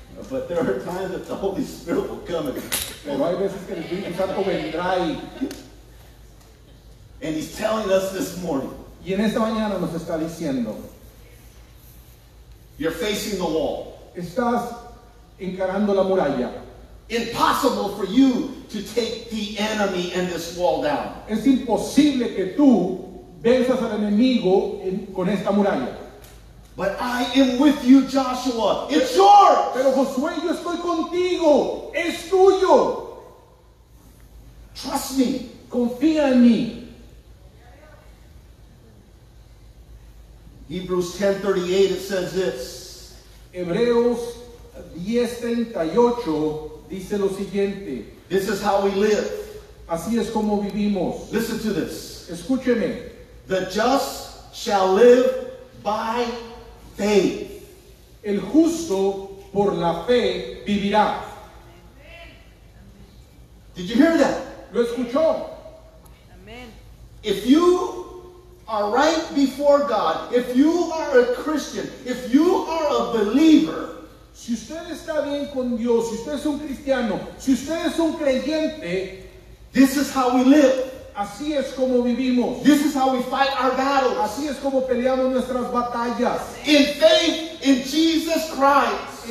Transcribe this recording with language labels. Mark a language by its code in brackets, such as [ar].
[en] But there are times that the Holy Spirit will come. [es] Pero hay veces que el Espíritu Santo vendrá y. [en] And he's telling us this morning. [es] Y en esta mañana nos está diciendo. [en] You're facing the wall. [es] Estás encarando la muralla. [en] Impossible for you to take the enemy and this wall down. [es] Es imposible que tú venzas al enemigo con esta muralla. [en] But I am with you, Joshua. It's yours. [es] Pero Josué, yo estoy contigo. Es tuyo. [en] Trust me. [es] Confía en mí. [en] Hebrews 10:38, it says this. [es] Hebreos 10:38. 10:38 dice lo siguiente. [en] This is how we live. [es] Así es como vivimos. [en] Listen to this. [es] Escúcheme. [en] The just shall live by faith. [es] El justo por la fe vivirá. [en] Did you hear that? [es] Lo escuchó. [en] Amen. If you are right before God, if you are a Christian, if you are a believer, [es] si usted está bien con Dios, si usted es un cristiano, si usted es un creyente, [en] this is how we live. [es] Así es como vivimos. [en] This is how we fight our battles. [es] Así es como peleamos nuestras batallas. [en] In faith in Jesus Christ.